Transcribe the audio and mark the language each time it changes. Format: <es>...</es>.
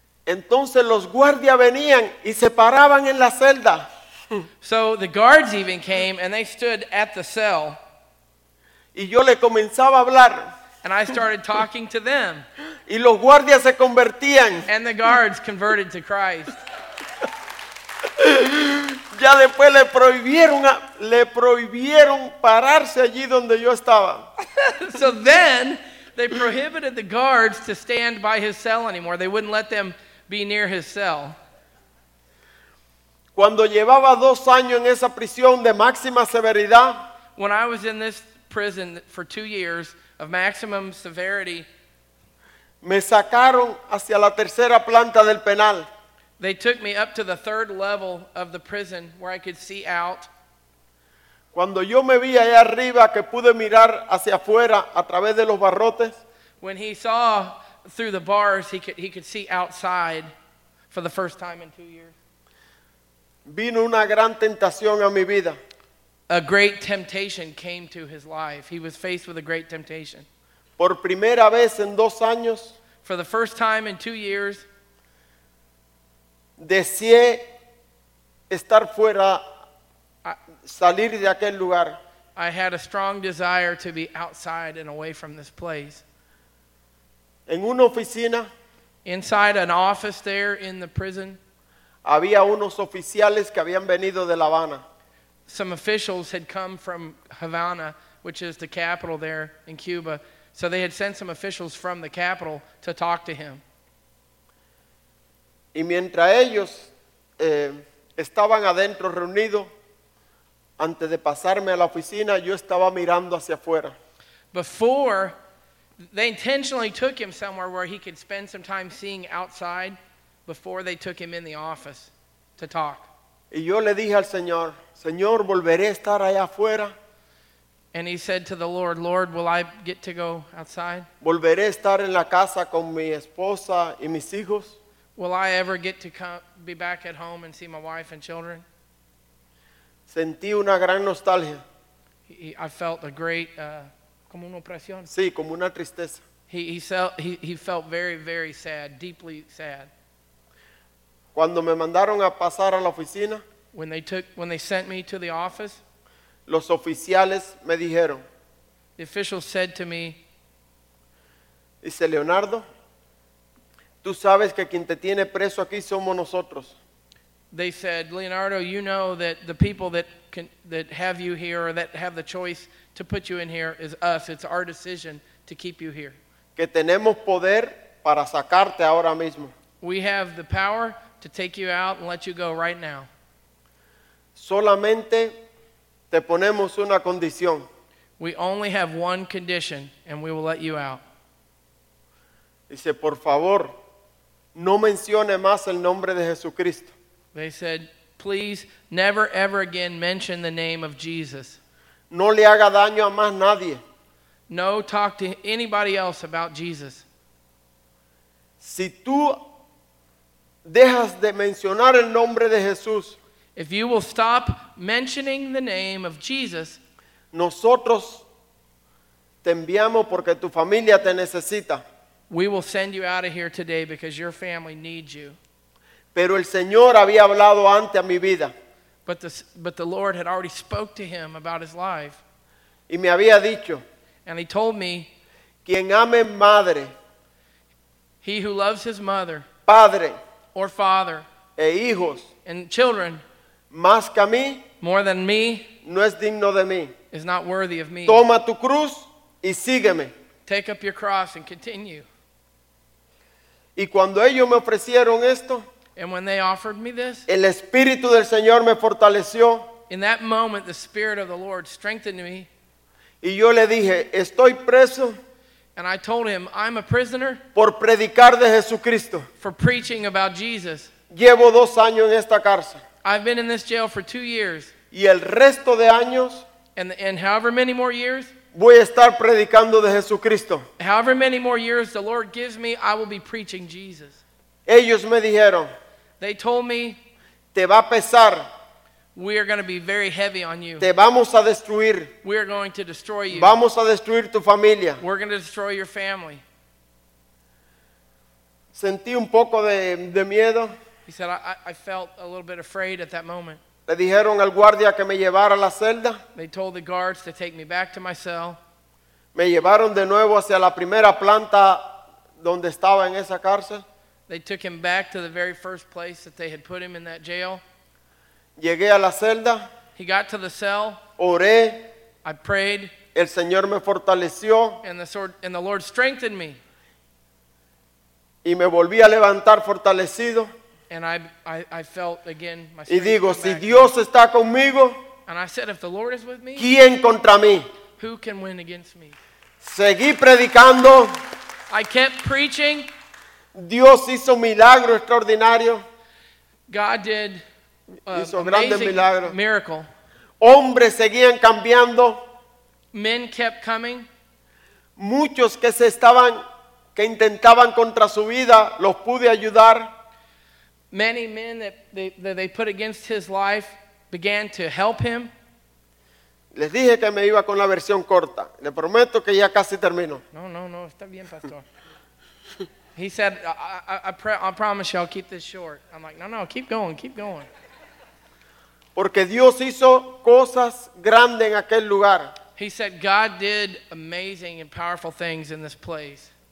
<es>Entonces los guardias venían y se paraban en la celda.</es> <en>So the guards even came and they stood at the cell.</en> <es>Y yo le comenzaba a hablar.</es> <en>And I started talking to them.</en> <es>Y los guardias se convertían.</es> <en>And the guards converted to Christ.</en> <es>Ya después le prohibieron pararse allí donde yo estaba.</es> <en>So then they prohibited the guards to stand by his cell anymore. They wouldn't let them be near his cell.</en> <es>Cuando llevaba dos años en esa prisión de máxima severidad,</es> <en>when I was in this prison for 2 years of maximum severity,</en> <es>me sacaron hacia la tercera planta del penal.</es> <en>They took me up to the third level of the prison where I could see out.</en> <es>Cuando yo me vi allá arriba que pude mirar hacia afuera a través de los barrotes,</es> <en>when he saw through the bars, he could see outside for the first time in 2 years.</en> <es>Vino una gran tentación a mi vida.</es> <en>A great temptation came to his life. He was faced with a great temptation.</en> <es>Por primera vez en dos años,</es> <en>for the first time in 2 years,</en> <es>deseé estar fuera, salir de aquel lugar.</es> <en>I had a strong desire to be outside and away from this place.</en> <es>En una oficina,</es> <en>inside an office there in the prison,</en> <es>había unos oficiales que habían venido de La Habana.</es> <en>Some officials had come from Havana, which is the capital there in Cuba. So they had sent some officials from the capital to talk to him.</en> <es>Y mientras ellos estaban adentro reunidos, antes de pasarme a la oficina, yo estaba mirando hacia afuera.</es> <en>Before, they intentionally took him somewhere where he could spend some time seeing outside before they took him in the office to talk.</en> <es>Y yo le dije al Señor, Señor, ¿volveré a estar allá afuera?</es> <en>And he said to the Lord, Lord, will I get to go outside?</en> <es>¿Volveré a estar en la casa con mi esposa y mis hijos?</es> <en>Will I ever get to come, be back at home and see my wife and children?</en> <es>Sentí una gran nostalgia.</es> <en>I felt a great,</en> <es>como una opresión. Sí, como una tristeza.</es> <en>He felt very, very sad, deeply sad.</en> <es>Cuando me mandaron a pasar a la oficina,</es> <en>when they sent me to the office,</en> <es>los oficiales me dijeron,</es> <en>the officials said to me,</en> <es>dice Leonardo, tú sabes que quien te tiene preso aquí somos nosotros.</es> <en>They said, Leonardo, you know that the people that have you here or that have the choice to put you in here is us. It's our decision to keep you here.</en> <es>Que tenemos poder para sacarte ahora mismo.</es> <en>We have the power to take you out and let you go right now.</en> <es>Solamente te ponemos una condición.</es> <en>We only have one condition and we will let you out.</en> <es>Dice, por favor, no mencione más el nombre de Jesucristo.</es> <en>They said, please never ever again mention the name of Jesus.</en> <es>No le haga daño a más nadie.</es> <en>No talk to anybody else about Jesus.</en> <es>Si tú dejas de mencionar el nombre de Jesús,</es> <en>if you will stop mentioning the name of Jesus,</en> <es>nosotros te enviamos porque tu familia te necesita.</es> <en>We will send you out of here today because your family needs you.</en> <es>Pero el Señor había hablado antes a mi vida.</es> <en>But the Lord had already spoke to him about his life.</en> <es>Y me había dicho,</es> <en>and he told me,</en> <es>quien ame madre,</es> <en>he who loves his mother,</en> <es>padre,</es> <en>or father,</en> <es>e hijos,</es> <en>and children,</en> <es>más que a mí,</es> <en>more than me,</en> <es>no es digno de mí,</es> <en>is not worthy of me.</en> <es>Toma tu cruz y sígueme.</es> <en>Take up your cross and continue.</en> <es>Y cuando ellos me ofrecieron esto,</es> <en>and when they offered me this,</en> <es>el Espíritu del Señor me fortaleció.</es> <en>In that moment, the Spirit of the Lord strengthened me.</en> <es>Y yo le dije, estoy preso.</es> <en>And I told him, I'm a prisoner.</en> <es>Por predicar de Jesucristo.</es> <en>For preaching about Jesus.</en> <es>Llevo dos años en esta cárcel.</es> <en>I've been in this jail for 2 years.</en> <es>Y el resto de años,</es> <en>and however many more years,</en> <es>voy a estar predicando de Jesucristo.</es> <en>However many more years the Lord gives me, I will be preaching Jesus.</en> <es>Ellos me dijeron,</es> <en>they told me,</en> <es>te va a pesar.</es> <en>We are going to be very heavy on you.</en> <es>Te vamos a destruir.</es> <en>We are going to destroy you.</en> <es>Vamos a destruir tu familia.</es> <en>We're going to destroy your family.</en> <es>Sentí un poco de miedo.</es> <en>He said, I felt a little bit afraid at that moment.</en> <es>Le dijeron al guardia que me llevara a la celda.</es> <en>They told the guards to take me back to my cell.</en> <es>Me llevaron de nuevo hacia la primera planta donde estaba en esa cárcel.</es> <en>They took him back to the very first place that they had put him in that jail.</en> <es>Llegué a la celda.</es> <en>He got to the cell.</en> <es>Oré.</es> <en>I prayed.</en> <es>El Señor me fortaleció.</es> <en>And the Lord strengthened me.</en> <es>Y me volví a levantar fortalecido.</es> <en>And I felt again my strength.</en> <es>Y digo, si Dios está conmigo,</es> <en>and I said, if the Lord is with me,</en> <es>¿quién contra mí?</es> <en>Who can win against me?</en> <es>Seguí predicando.</es> <en>I kept preaching.</en> <es>Dios hizo milagro extraordinario.</es> <en>God did</en> <es>hizo grandes milagros.</es> <en>Miracle.</en> <es>Hombres seguían cambiando.</es> <en>Men kept coming.</en> <es>Muchos que se estaban que intentaban contra su vida, los pude ayudar.</es> <en>Many men that they put against his life began to help him.</en> <es>Les dije que me iba con la versión corta. Le prometo que ya casi termino. No, está bien, pastor.</es> <en>He said, I promise you I'll keep this short. I'm like, no, keep going.</en> <es>Porque Dios hizo cosas grandes en aquel lugar.</es> <en>He said, God did amazing and powerful things in this place.</en>